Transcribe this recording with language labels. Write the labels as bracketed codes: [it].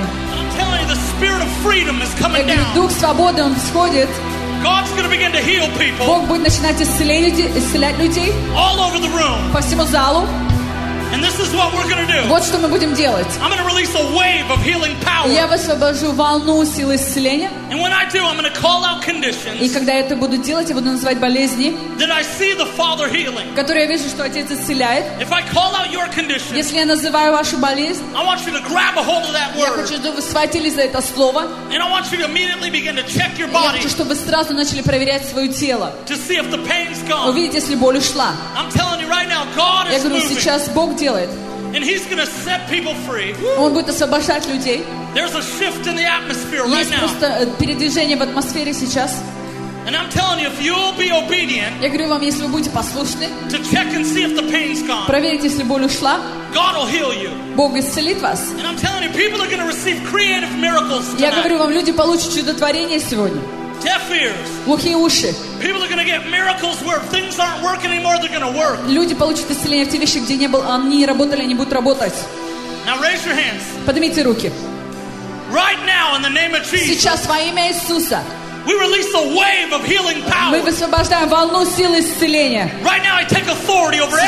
[en] I'm telling you, the spirit of freedom is coming down. [ru] Дух свободы он сходит. [en] God's going to begin to heal people. [ru] Бог будет начинать исцелять людей. [en] All over the room. [ru] По всему залу. [en] And this is what we're going to do. [ru] Вот что мы будем делать. [en] I'm going to release a wave of healing power. [ru] Я высвобожу волну силы исцеления. [en] And when I do, I'm going to call out conditions. [ru] И когда я это буду делать, я буду называть болезни. [en] That I see the Father healing. [ru] Которые я вижу, что Отец исцеляет. [en] If I call out your condition. [ru] Если я называю вашу болезнь. [en] I want you to grab a hold of that word. [ru] Я хочу, чтобы вы схватились за это слово. [en] And I want you to immediately begin to check your body. [ru] Я хочу, чтобы вы сразу начали проверять свое тело. [en] To see if the pain's gone. [ru] Увидеть, если боль ушла. [en] I'm telling you right now, God is moving. [ru] Я говорю, сейчас Бог делает. [en] And he's going to set people free. [ru] Он будет освобождать людей. [en] There's a shift in the atmosphere right now. [ru] Есть просто передвижение в атмосфере сейчас. [en] And I'm telling you, if you'll be obedient. [ru] Я говорю вам, если вы будете послушны. [en] To check and see if the pain's gone. [ru] Проверить, если боль ушла. [en] God will heal you. [ru] Бог исцелит вас. [en] And I'm telling you, people are going to receive creative miracles tonight. [ru] Я говорю вам, люди получат чудотворение сегодня. [en] Deaf ears. [ru] Глухие уши. [en] People are going to get miracles where things aren't working anymore. They're going to work. [ru] Люди получат исцеление в те вещи, где не было, они не работали, они будут работать. [en] Now raise your hands. [ru] Поднимите руки. [en] Right now, in the name of Jesus. [ru] Сейчас во имя Иисуса. [en] We release a wave of healing power. [ru] Мы высвобождаем волну силы исцеления. [en] Right now, I take authority over every